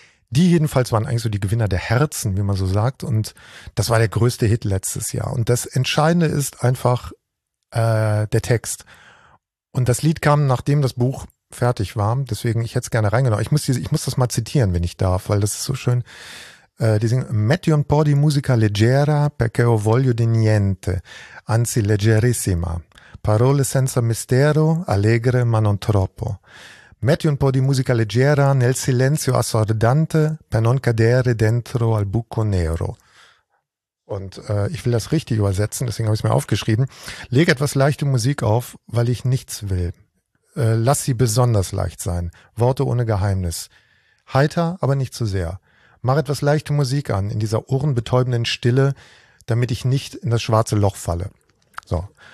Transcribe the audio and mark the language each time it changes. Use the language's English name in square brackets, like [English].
[German] Die jedenfalls waren eigentlich so die Gewinner der Herzen, wie man so sagt. Und das war der größte Hit letztes Jahr. Und das Entscheidende ist einfach der Text. Und das Lied kam, nachdem das Buch fertig war. Deswegen, ich hätte es gerne reingenommen. Ich muss das mal zitieren, wenn ich darf, weil das ist so schön. Die singen, [Italian] metti un po' di musica leggera perché ho voglio di niente, anzi leggerissima. Parole senza mistero, allegre ma non troppo. Metti un po' di musica leggera nel silenzio assordante per non cadere dentro al buco nero. [German] Und ich will das richtig übersetzen, deswegen habe ich es mir aufgeschrieben. Leg etwas leichte Musik auf, weil ich nichts will. Lass sie besonders leicht sein. Worte ohne Geheimnis. Heiter, aber nicht zu sehr. Mach etwas leichte Musik an in dieser ohrenbetäubenden Stille, damit ich nicht in das schwarze Loch falle. So.